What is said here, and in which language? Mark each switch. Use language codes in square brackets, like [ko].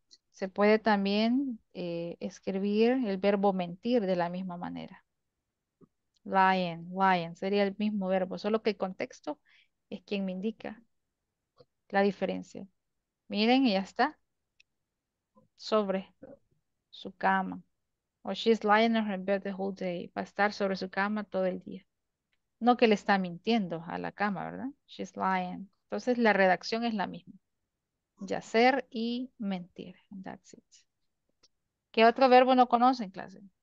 [es] Se puede también escribir el verbo mentir de la misma manera. Lying, lying, sería el mismo verbo, solo que el contexto es quien me indica la diferencia. Miren, y ya está. Sobre su cama. [en] Or she's lying in her bed the whole day. [es] Va a estar sobre su cama todo el día. No que le está mintiendo a la cama, ¿verdad? [en] She's lying. [es] Entonces la redacción es la misma. Yacer y mentir. [en] That's it. [es] ¿Qué otro verbo no conoce en clase?